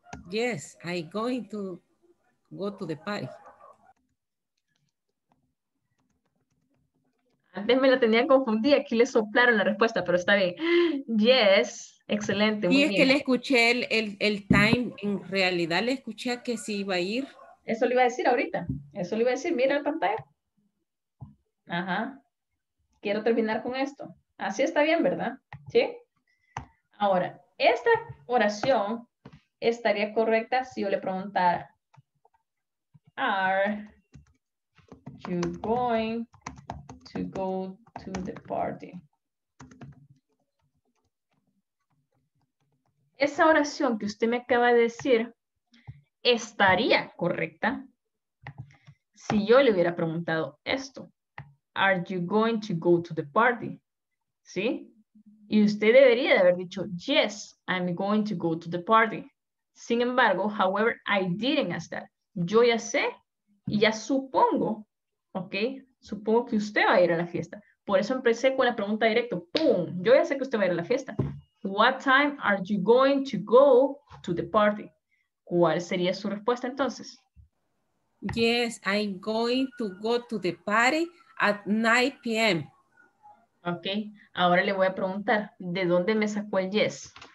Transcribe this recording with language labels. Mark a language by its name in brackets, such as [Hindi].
[English] Yes, I'm going to go to the party. [Spanish] Antes me la tenía confundida, aquí le soplaron la respuesta, pero está bien. Yes, excelente, muy bien. Y es que le escuché el time, en realidad le escuché que sí iba a ir. Eso le iba a decir ahorita, mira la pantalla. Ajá, quiero terminar con esto. Así está bien, ¿verdad? ¿Sí? Ahora, esta oración estaría correcta si yo le preguntara [English] Are you going to go to the party? [Spanish] Esa oración que usted me acaba de decir estaría correcta si yo le hubiera preguntado esto. [English] Are you going to go to the party? [Spanish] ¿Sí? Y usted debería de haber dicho, [English] yes, I'm going to go to the party. [Spanish] Sin embargo, [English] however, I didn't ask that. [Spanish] Yo ya sé y ya supongo, ¿ok? Supongo que usted va a ir a la fiesta. Por eso empecé con la pregunta directa. ¡Pum! Yo ya sé que usted va a ir a la fiesta. [English] What time are you going to go to the party? [Spanish] ¿Cuál sería su respuesta entonces? [English] Yes, I'm going to go to the party at 9 p.m. [Spanish] Ok, ahora le voy a preguntar, ¿de dónde me sacó el yes?